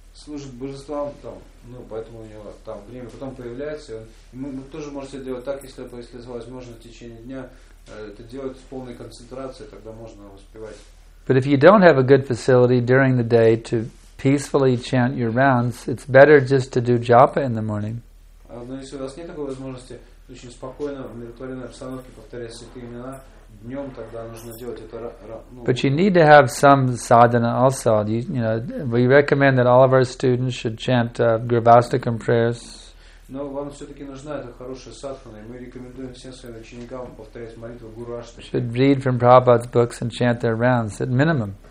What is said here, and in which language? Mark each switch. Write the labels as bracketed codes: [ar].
[ru] Служит божествам там, ну, поэтому у него там время потом появляется, и мы тоже можете делать так, если возможно в течение дня это делать с полной концентрацией, тогда можно успевать. [en] But if you don't have a good facility during the day to peacefully chant your rounds, it's better just to do japa in the morning. [ru] Но если у вас нет такой возможности очень спокойно, в умиротворенной обстановке повторять святые имена днем, тогда нужно делать это. [en] But you need to have some sadhana also. You know, we recommend that all of our students should chant Grihastha prayers. [ru] Но вам все-таки нужна эта хорошая садхана, и мы рекомендуем всем своим ученикам повторять молитву Гурвашта. [en] Should read from Prabhupada's books and chant their rounds at minimum.